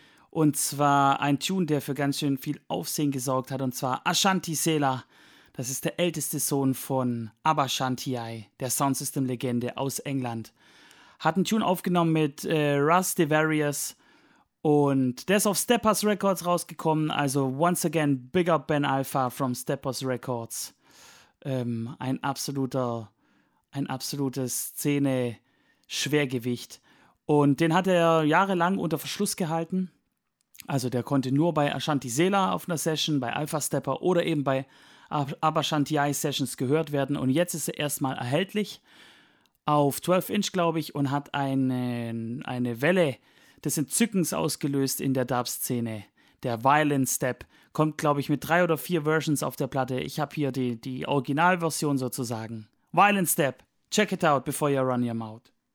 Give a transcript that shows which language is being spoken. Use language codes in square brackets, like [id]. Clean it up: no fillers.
[de] Und zwar ein Tune, der für ganz schön viel Aufsehen gesorgt hat. Und zwar Ashanti Sela. Das ist der älteste Sohn von Abba Shantiai, der Soundsystem-Legende aus England. Hat einen Tune aufgenommen mit Russ DeVarious und der ist auf Steppers Records rausgekommen. [en] Also once again, big up Ben Alpha from Steppers Records. [de] Ein absolutes Szene-Schwergewicht. Und den hat er jahrelang unter Verschluss gehalten. Also der konnte nur bei Ashanti Sela auf einer Session, bei Alpha Stepper oder eben bei Abba Shantiai Sessions gehört werden. Und jetzt ist er erstmal erhältlich. Auf 12-Inch, glaube ich, und hat eine Welle des Entzückens ausgelöst in der Dub-Szene. Der Violin Step kommt, glaube ich, mit 3 oder 4 Versions auf der Platte. Ich habe hier die Originalversion sozusagen. [en] Violin Step, check it out, before you run your mouth.